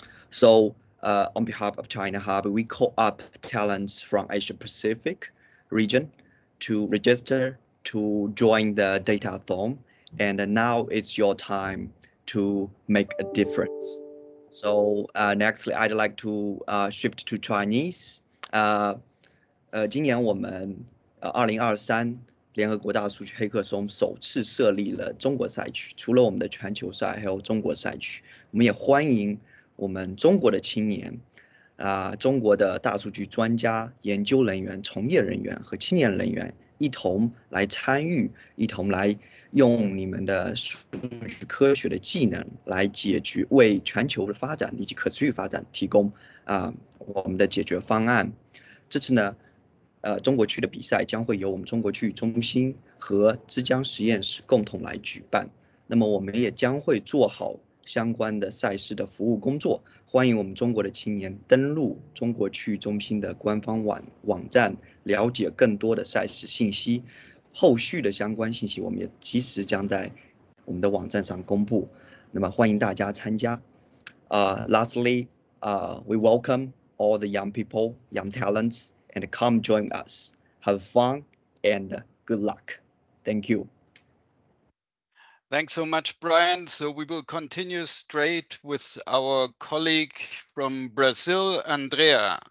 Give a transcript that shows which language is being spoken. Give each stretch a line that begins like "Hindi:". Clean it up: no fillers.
English: So on behalf of China Hub, we call up talents from Asia Pacific region to register to join the Datathon. And now it's your time to make a difference. So nextly, I'd like to shift to Chinese.
Chinese: 今年我们2023联合国大数据黑客松首次设立了中国赛区，除了我们的全球赛还有中国赛区，我们也欢迎我们中国的青年啊，中国的大数据专家、研究人员、从业人员和青年人员一同来参与，一同来用你们的数据科学的技能来解决，为全球的发展以及可持续发展提供我们的解决方案。这次呢，中国区的比赛将会由我们中国区域中心和之江实验室共同来举办。那么我们也将会做好相关的赛事的服务工作，欢迎我们中国的青年登录中国区域中心的官方网站，了解更多的赛事信息。后续的相关信息我们也及时将在我们的网站上公布。那么欢迎大家参加。
English: Lastly, we welcome all the young people, young talents, and come join us. Have fun and good luck. Thank you. Thanks so much, Brian. So we will continue straight with our colleague from Brazil, Andrea.